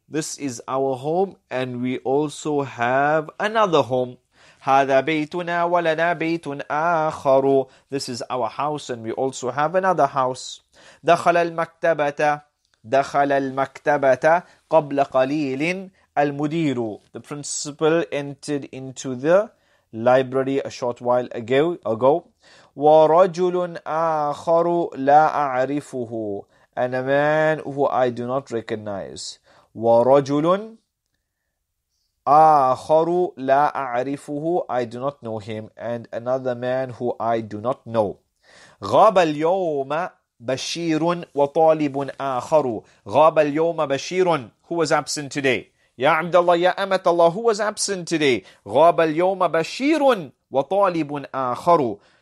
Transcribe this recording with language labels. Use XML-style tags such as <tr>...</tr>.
<en>This is our home and we also have another home.</en> <ar>هذا بيتنا ولنا بيت آخر.</ar> <en>This is our house and we also have another house.</en> <ar>دخل المكتبة. دخل المكتبة قبل قليل المدير.</ar> <en>The principal entered into the library a short while ago.</en> <ar>ورجل آخر لا أعرفه.</ar> <en>And a man who I do not recognize.</en> <ar>ورجل آخر لا أعرفه.</ar> <en>I do not know him. And another man who I do not know.</en> <ar>غاب اليوم بشير وطالب آخر. غاب اليوم بشير.</ar> <en>Who was absent today?</en> <ar>يا عبد الله يا أمة الله.</ar> <en>Who was absent today?</en> <ar>غاب اليوم بشير وطالب آخر.</ar>